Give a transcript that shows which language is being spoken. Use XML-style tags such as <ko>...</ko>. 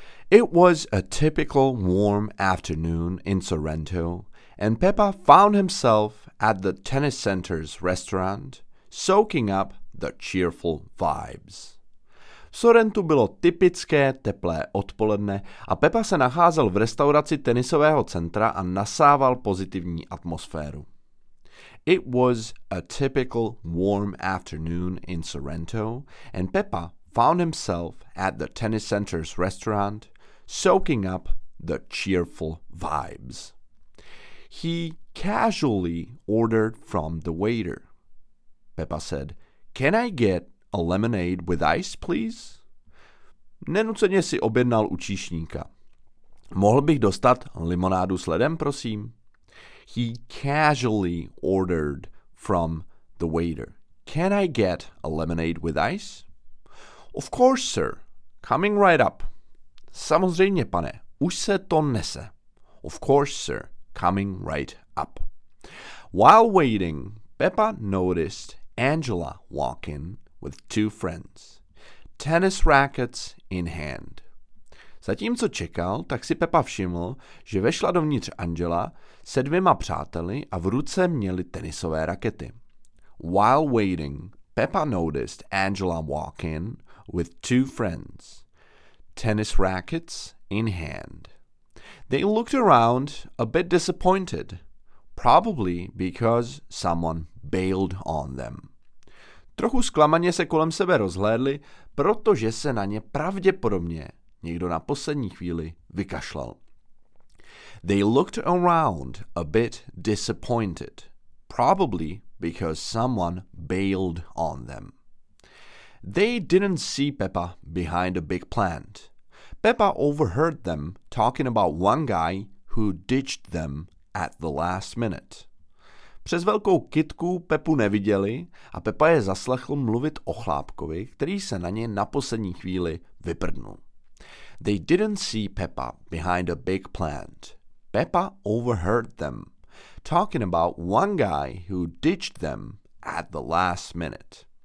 <en>It was a typical warm afternoon in Sorrento, and Pepa found himself at the tennis center's restaurant, soaking up the cheerful vibes.</en> <cs>V Sorrentu bylo typické teplé odpoledne a Pepa se nacházel v restauraci tenisového centra a nasával pozitivní atmosféru.</cs> <en>It was a typical warm afternoon in Sorrento, and Pepa found himself at the tennis center's restaurant, soaking up the cheerful vibes. He casually ordered from the waiter. Pepa said, "Can I get a lemonade with ice, please?"</en> <cs>Nenuceně si objednal u číšníka. Mohl bych dostat limonádu s ledem, prosím?</cs> <en>He casually ordered from the waiter. Can I get a lemonade with ice? Of course, sir. Coming right up.</en> <cs>Samozřejmě, pane. Už se to nese.</cs> <en>Of course, sir. Coming right up. While waiting, Pepa noticed Angela walk in with two friends. Tennis rackets in hand.</en> <cs>Zatímco čekal, tak si Pepa všiml, že vešla dovnitř Angela se dvěma přáteli a v ruce měli tenisové rakety.</cs> <en>While waiting, Pepa noticed Angela walk in with two friends. Tennis rackets in hand. They looked around a bit disappointed, probably because someone bailed on them.</en> <cs>Trochu zklamaně se kolem sebe rozhlédli, protože se na ně pravděpodobně někdo na poslední chvíli vykašlal.</cs> <en>They looked around a bit disappointed, probably because someone bailed on them. They didn't see Pepa behind a big plant. Pepa overheard them talking about one guy who ditched them at the last minute.</en> <cs>Přes velkou kytku Pepu neviděli a Pepa je zaslechl mluvit o chlápkovi, který se na ně na poslední chvíli vyprdnul.</cs> <en>They didn't see Pepa behind a big plant. Pepa overheard them, talking about one guy who ditched them at the last minute.</en>